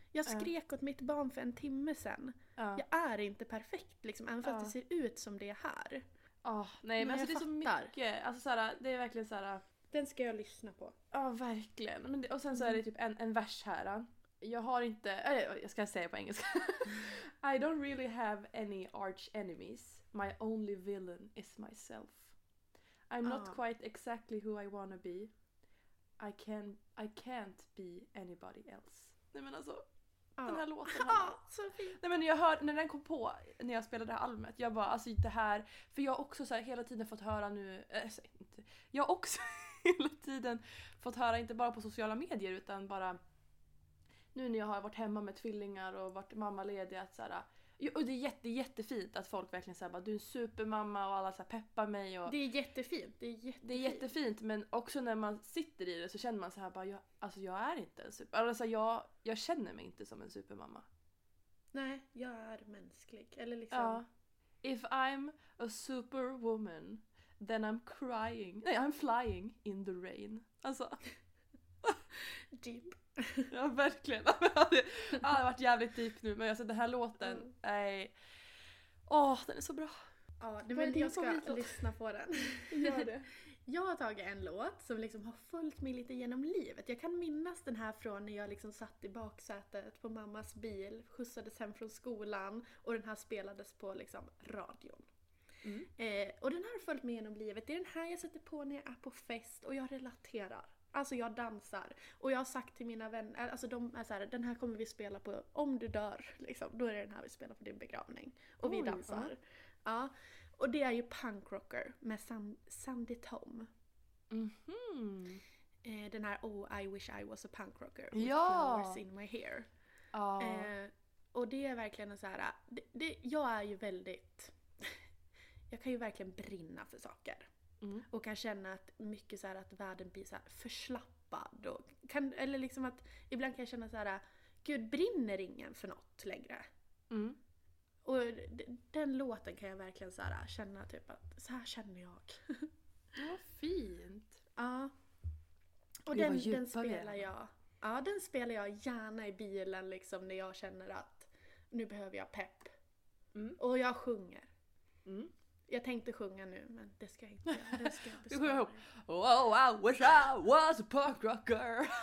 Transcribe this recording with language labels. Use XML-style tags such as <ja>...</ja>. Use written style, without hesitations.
<sv>Jag skrek åt mitt barn för en timme sedan. Jag är inte perfekt liksom, även fast det ser ut som det är här. Men alltså, det är så mycket. Alltså såhär, det är verkligen såhär. Den ska jag lyssna på. Ja, verkligen. Men och sen så är det typ en vers här. Jag har inte, jag ska säga på engelska.</sv> <en>I don't really have any arch enemies. My only villain is myself. I'm not quite exactly who I wanna be. I can't be anybody else.</en> <sv>Nej men alltså, den här låten. Ja, så fint. Nej men jag hörde, när den kom på, när jag spelade det här albumet, jag bara, alltså det här, för jag har också så här, hela tiden fått höra nu, jag har också hela tiden fått höra, inte bara på sociala medier, utan bara nu när jag har varit hemma med tvillingar och varit mammaledig att så här, och det är jättefint att folk verkligen säger att du är en supermamma och alla så här peppar mig och det är jättefint. Det är jättefint men också när man sitter i det så känner man så här bara jag är inte en super, alltså jag känner mig inte som en supermamma. Nej, jag är mänsklig eller liksom. Ja.</sv> <en>If I'm a superwoman, then I'm crying. Nej, I'm flying in the rain.</en> <sv>Alltså</sv> <en>deep.</en> <sv>Ja, verkligen. Jag har varit jävligt deep nu. Men jag ser den här låten. Den är så bra. Ja, nu men jag ska lyssna på den. Gör det. Jag har tagit en låt som liksom har följt mig lite genom livet. Jag kan minnas den här från när jag liksom satt i baksätet på mammas bil, skjutsades hem från skolan och den här spelades på liksom radion. Och den här har följt mig genom livet. Det är den här jag sätter på när jag är på fest och jag relaterar. Alltså jag dansar och jag har sagt till mina vänner, alltså de är så här, den här kommer vi spela på om du dör liksom, då är det den här vi spelar på din begravning och vi dansar. Ja, och det är ju Punk Rocker med Sandy Tom. Mm-hmm. Den här</sv> <en>Oh I wish I was a punk rocker</en> <sv>with ja!</sv> <en>Flowers in my hair.</en> <sv>Och det är verkligen så här, jag är ju väldigt jag kan ju verkligen brinna för saker. Mm. Och kan känna att mycket så här att världen blir så här förslappad och kan, eller liksom att ibland kan jag känna så här, gud, brinner ingen för något längre. Mm. Och den låten kan jag verkligen så här känna typ att så här känner jag. Ja, fint. Ja. Och den spelar jag. Ja, den spelar jag gärna i bilen liksom när jag känner att nu behöver jag pepp. Mm. Och jag sjunger. Mm. Jag tänkte sjunga nu, men det ska jag inte göra.</sv> <en>Oh, I wish I was a punk rocker</en>